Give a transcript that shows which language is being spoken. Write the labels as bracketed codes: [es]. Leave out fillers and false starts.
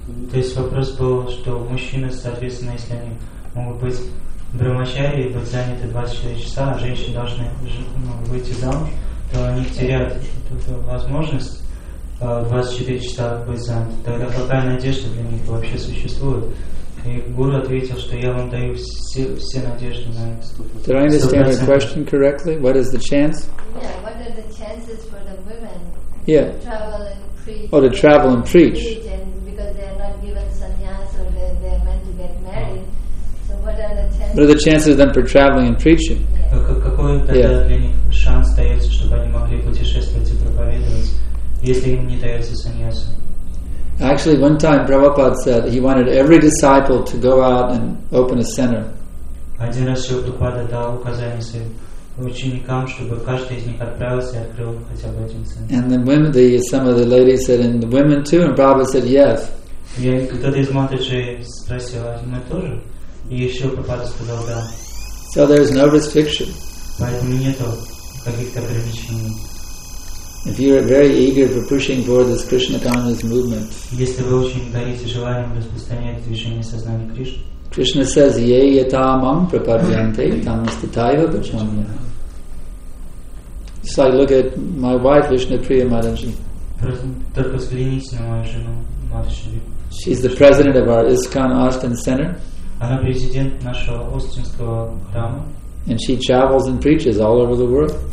[ru] То есть вопрос был, что мужчины, соответственно, если они могут быть брахмачари и быть заняты 24 часа, а женщины должны выйти замуж, то они теряют эту возможность 24 часа быть заняты. Тогда какая надежда для них вообще существует? И гуру ответил, что я вам даю все надежды на это. [en] Did I understand your question correctly? What is the chance? Yeah, what are the chances for the women yeah. to travel and preach? Oh, to travel and preach. And because they are not given sannyas or they are meant to get married. So what are the chances? What are the chances of them for traveling and preaching? [ru] Какой тогда для них шанс дается, чтобы они могли путешествовать и проповедовать, если им не дается сannyas? [en] Actually, one time Prabhupada said he wanted every disciple to go out and open a center. [ru] Один раз Прабхупада дал указание своим ученикам, чтобы каждый из них отправился и открыл хотя бы один центр. [en] And then women, some of the ladies said, and the women too, and Prabhupada said, yes. [ru] Кто-то из матерей спросил, а мы тоже? И еще Прабхупада сказал, да. [en] So there is no restriction. [ru] Поэтому нет каких-то ограничений. [en] If you are very eager for pushing forward this Krishna consciousness movement, [ru] если вы очень горите желанием распространять движение сознания Кришны, [en] Krishna says, [sa] "Ye yatamam prapadyante tamastitaiva bhajamya." [en] It's like look at my wife, Vishnu Priya Mataji. [ru] Только взгляните на мою жену, Мадхиджи. [en] She's the president of our ISKCON Austin Center. [ru] Она президент нашего Остинского храма. [en] And she travels and preaches all over the world.